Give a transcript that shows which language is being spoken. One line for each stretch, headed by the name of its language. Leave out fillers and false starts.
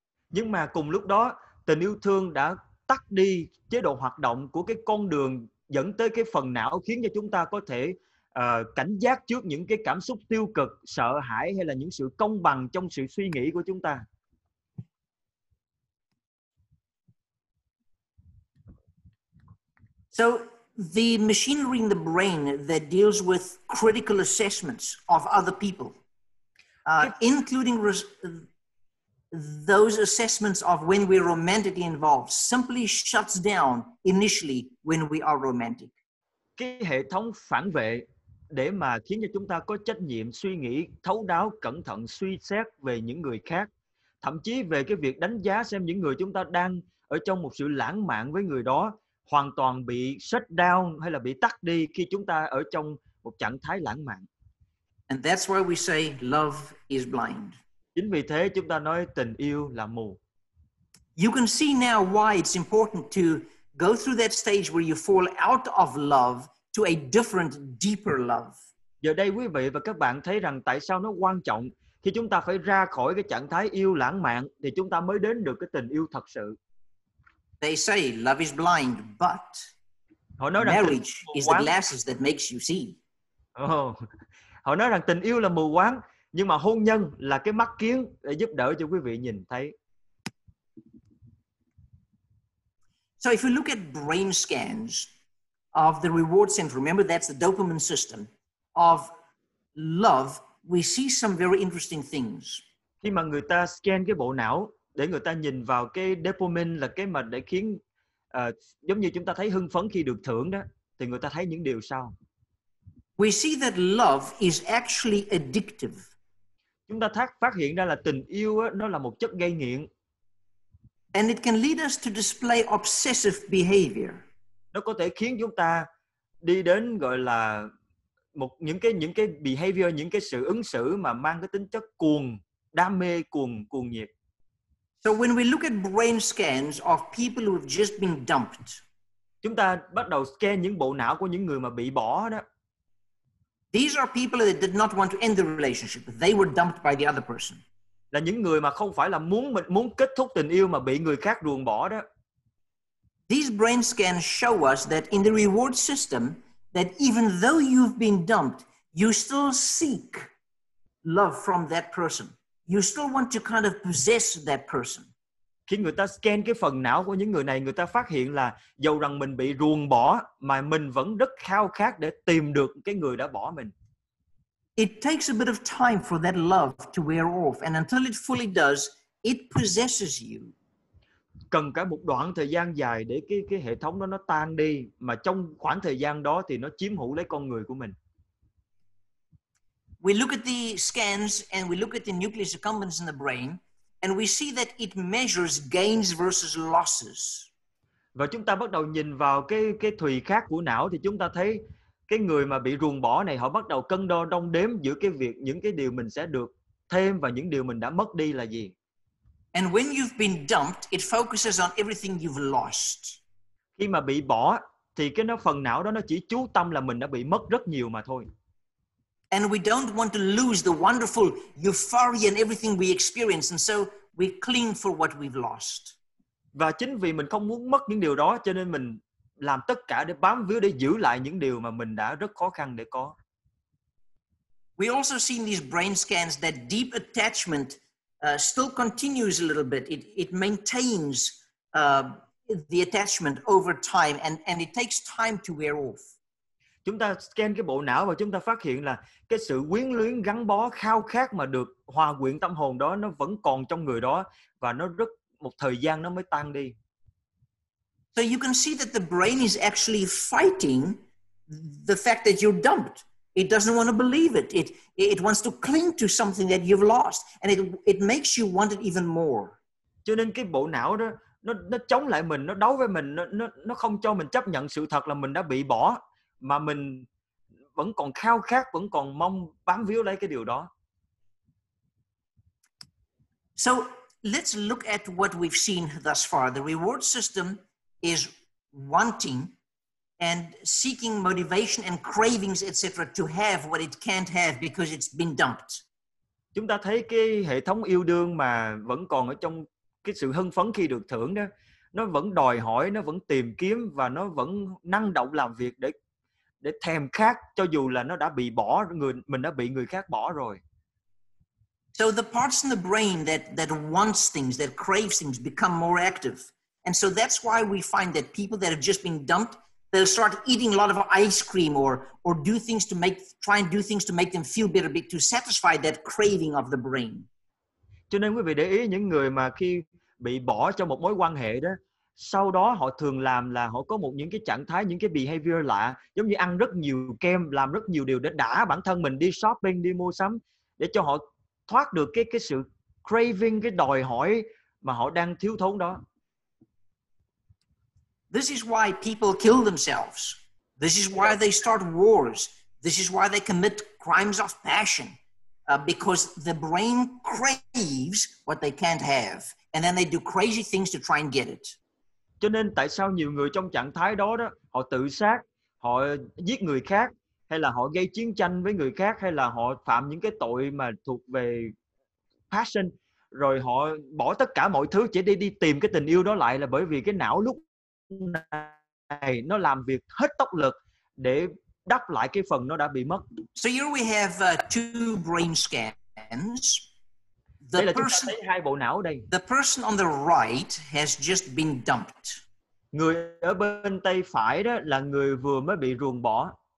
Vietnamese: Nhưng mà cùng lúc đó, tình yêu thương đã tắt đi chế độ hoạt động của cái con đường dẫn tới cái phần não khiến cho chúng ta có thể cảnh giác trước những cái cảm xúc tiêu cực, sợ hãi hay là những sự công bằng trong sự suy nghĩ của chúng ta.
English: So the machinery in the brain that deals with critical assessments of other people, including those assessments of when we're romantically involved, simply shuts down initially when we are romantic.
Vietnamese: Cái hệ thống phản vệ để mà khiến cho chúng ta có trách nhiệm suy nghĩ thấu đáo, cẩn thận, suy xét về những người khác, thậm chí về cái việc đánh giá xem những người chúng ta đang ở trong một sự lãng mạn với người đó, hoàn toàn bị
English: shut down
Vietnamese: hay là bị tắt đi khi chúng ta ở trong một trạng thái lãng mạn.
English: And that's why we say love is blind.
Vietnamese: Chính vì thế chúng ta nói tình yêu là mù.
English: You can see now why it's important to go through that stage where you fall out of love to a different, deeper love.
Vietnamese: Giờ đây quý vị và các bạn thấy rằng tại sao nó quan trọng khi chúng ta phải ra khỏi cái trạng thái yêu lãng mạn thì chúng ta mới đến được cái tình yêu thật sự.
English: They say love is blind, but marriage is the glasses that makes you see. Oh.
Vietnamese: Họ nói rằng tình yêu là mù quáng, nhưng mà hôn nhân là cái mắt kiến để giúp đỡ cho quý vị nhìn thấy.
English: So if you look at brain scans of the reward center, remember that's the dopamine system of love, we see some very interesting things.
Vietnamese: Khi mà người ta scan cái bộ não để người ta nhìn vào cái dopamine là cái mà để khiến giống như chúng ta thấy hưng phấn khi được thưởng đó, thì người ta thấy những điều sau.
English: We see that love is actually addictive.
Vietnamese: Chúng ta phát hiện ra là tình yêu nó là một chất gây nghiện.
English: And it can lead us to display obsessive behavior.
Vietnamese: Nó có thể khiến chúng ta đi đến gọi là một những cái behavior, những cái sự ứng xử mà mang cái tính chất cuồng, đam mê cuồng nhiệt.
English: So when we look at brain scans of people who have just been dumped.
Vietnamese: Chúng ta bắt đầu scan những bộ não của những người mà bị bỏ đó.
English: These are people that did not want to end the relationship. They were dumped by the other person.
Vietnamese: Là những người mà không phải là muốn kết thúc tình yêu mà bị người khác ruồng bỏ đó.
English: These brain scans show us that in the reward system, that even though you've been dumped, you still seek love from that person. You still want to kind of possess that person.
Vietnamese: Khi người ta scan cái phần não của những người này, người ta phát hiện là dù rằng mình bị ruồng bỏ, mà mình vẫn rất khao khát để tìm được cái người đã bỏ mình.
English: It takes a bit of time for that love to wear off, and until it fully does, it possesses you.
Vietnamese: Cần cả một đoạn thời gian dài để cái hệ thống đó nó tan đi, mà trong khoảng thời gian đó thì nó chiếm hữu lấy con người của mình.
English: We look at the scans and we look at the nucleus accumbens in the brain, and we see that it measures gains versus losses.
Vietnamese: Và chúng ta bắt đầu nhìn vào cái thùy khác của não thì chúng ta thấy cái người mà bị ruồng bỏ này họ bắt đầu cân đo đong đếm giữa cái việc những cái điều mình sẽ được thêm và những điều mình đã mất đi là gì.
English: And when you've been dumped, it focuses on everything you've lost.
Vietnamese: Khi mà bị bỏ thì cái nó phần não đó nó chỉ chú tâm là mình đã bị mất rất nhiều mà thôi.
English: And we don't want to lose the wonderful euphoria and everything we experience, and so we cling for what we've lost.
Vietnamese: Và chính vì mình không muốn mất những điều đó, cho nên mình làm tất cả để bám víu, để giữ lại những điều mà mình đã rất khó khăn để có.
English: We also see in these brain scans that deep attachment still continues a little bit. It maintains the attachment over time, and it takes time to wear off.
Vietnamese: Chúng ta scan cái bộ não và chúng ta phát hiện là cái sự quyến luyến gắn bó khao khát mà được hòa quyện tâm hồn đó nó vẫn còn trong người đó và nó rất một thời gian nó mới tan đi.
English: So you can see that the brain is actually fighting the fact that you're dumped. It doesn't want to believe it. It wants to cling to something that you've lost, and it makes you want it even more.
Vietnamese: Cho nên cái bộ não đó nó chống lại mình, nó đấu với mình, nó không cho mình chấp nhận sự thật là mình đã bị bỏ. Mà mình vẫn còn khao khát, vẫn còn mong bám víu lấy cái điều đó.
English: So let's look at what we've seen thus far. The reward system is wanting and seeking motivation and cravings, etc., to have what it can't have because it's been dumped.
Vietnamese: Chúng ta thấy cái hệ thống yêu đương mà vẫn còn ở trong cái sự hưng phấn khi được thưởng đó, nó vẫn đòi hỏi, nó vẫn tìm kiếm và nó vẫn năng động làm việc để thèm khát, cho dù là nó đã bị bỏ, người mình đã bị người khác bỏ rồi.
English: So the parts in the brain that wants things, that craves things, become more active. And so that's why we find that people that have just been dumped, they'll start eating a lot of ice cream or do things to make, try and do things to make them feel better, to satisfy that craving of the brain.
Vietnamese: Cho nên quý vị để ý, những người mà khi bị bỏ trong một mối quan hệ đó, sau đó họ thường làm là họ có một những cái trạng thái, những cái behavior lạ, giống như ăn rất nhiều kem, làm rất nhiều điều để đã bản thân mình, đi shopping, đi mua sắm, để cho họ thoát được cái sự craving, cái đòi hỏi mà họ đang thiếu thốn đó.
English: This is why people kill themselves. This is why they start wars. This is why they commit crimes of passion. Because the brain craves what they can't have. And then they do crazy things to try and get it.
Vietnamese: Cho nên tại sao nhiều người trong trạng thái đó đó, họ tự sát, họ giết người khác, hay là họ gây chiến tranh với người khác, hay là họ phạm những cái tội mà thuộc về passion, rồi họ bỏ tất cả mọi thứ chỉ đi tìm cái tình yêu đó lại, là bởi vì cái não lúc này nó làm việc hết tốc lực để đắp lại cái phần nó đã bị mất.
English: So here we have two brain scans.
Vietnamese: Đây là chúng ta thấy hai bộ não đây.
English: The person on the right has just been dumped.
Vietnamese: Người ở bên tay phải đó là người vừa mới bị ruồng bỏ.